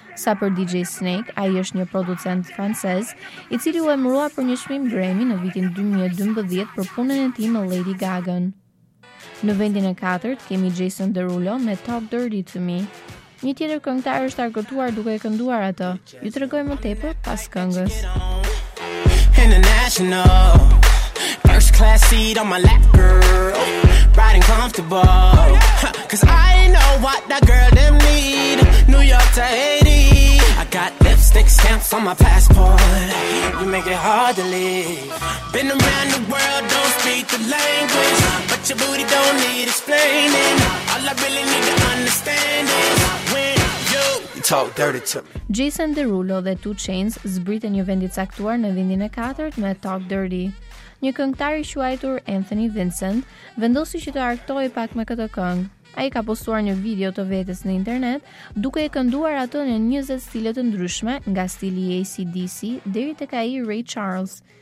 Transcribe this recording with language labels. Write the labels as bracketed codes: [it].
[sq] Sa për DJ Snake, ai është një producent francez i cili u emërua për një çmim Grammy në vitin 2012 për punën e tij me Lady Gaga. Në vendin e 4-të kemi Jason Derulo me Talk Dirty To Me. Një tjetër këngëtar është argëtuar duke e kënduar atë. Ju tregoj më tepër pas këngës. [en] International first class seat on my lap, girl, riding comfortable, cause I know what that girl them need. New York to Haiti, I got lipstick stamps on my passport. You make it hard to leave. Been around the world, don't speak the language, but your booty don't need explaining. All I really need to understand is when you talk dirty to me. [sq] Jason Derulo dhe 2 Chainz zbritën një vendi caktuar në vendin e 4-t me Talk Dirty. Një këngëtar i quajtur Anthony Vincent vendosi që të argëtojë pak me këtë këngë. Ai ka postuar një video të vetes në internet, duke e kënduar atë në 20 stile të ndryshme, nga stili AC/DC deri tek ai Ray Charles.